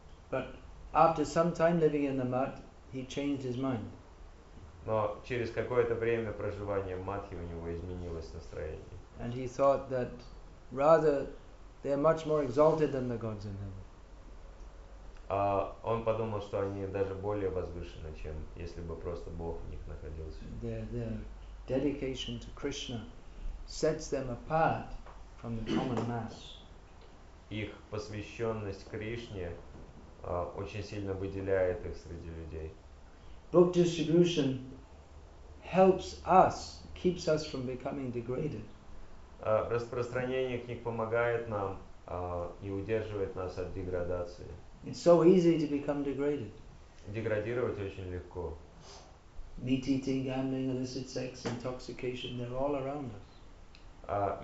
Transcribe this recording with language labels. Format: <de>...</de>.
<en>But after some time living in the mud, he changed his mind.</en> <ru>Но через какое-то время проживания в матхе у него изменилось настроение.</ru> <en>And he thought that rather they are much more exalted than the gods in heaven.</en> <ru>Он подумал, что они даже более возвышены, чем если бы просто Бог в них находился.</ru> <en>Their dedication to Krishna sets them apart from the common mass.</en> <ru>Их посвященность Кришне очень сильно выделяет их среди людей.</ru> <en>Book distribution helps us, keeps us from becoming degraded.</en> <ru>Распространение книг помогает нам и удерживает нас от деградации.</ru> <en>It's so easy to become degraded.</en> <ru>Деградировать очень легко.</ru> <en>Meat eating, gambling, illicit sex, intoxication, they're all around us.</en>